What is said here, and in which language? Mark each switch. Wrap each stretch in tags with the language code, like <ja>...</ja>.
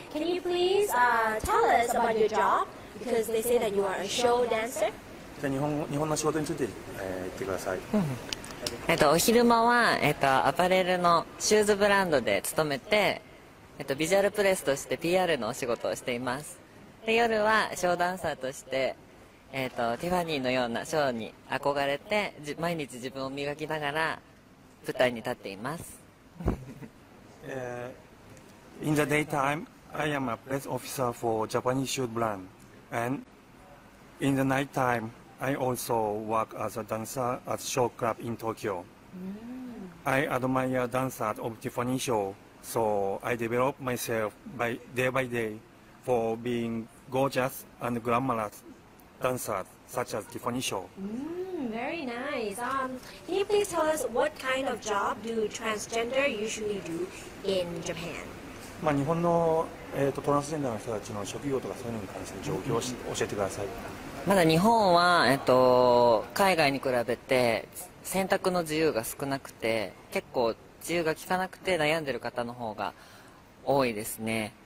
<en>Can you please tell us about your job? Because they say that you are a show dancer.</en> <ja>じゃあ日本の仕事について、言ってください。お昼間は、アパレルのシューズブランドで勤めて、ビジュアルプレスとして PR のお仕事をしています。で、夜はショーダンサーとして、ティファニーのようなショーに憧れて、毎日自分を磨きながら舞台に立っています。</ja> <en>In the daytime, I am a press officer for Japanese shoe brand. And in the night time, I also work as a dancer at show club in Tokyo. I admire dancers of Tiffany show, so I develop myself day by day for being gorgeous and glamorous dancers such as Tiffany show. Very nice. Can you please tell us what kind of job do transgender usually do in Japan?</en> <ja>まあ、日本の、トランスジェンダーの人たちの職業とかそういうのに関する状況を教えてください。まだ日本は、海外に比べて選択の自由が少なくて、結構自由が利かなくて悩んでる方の方が多いですね。</ja>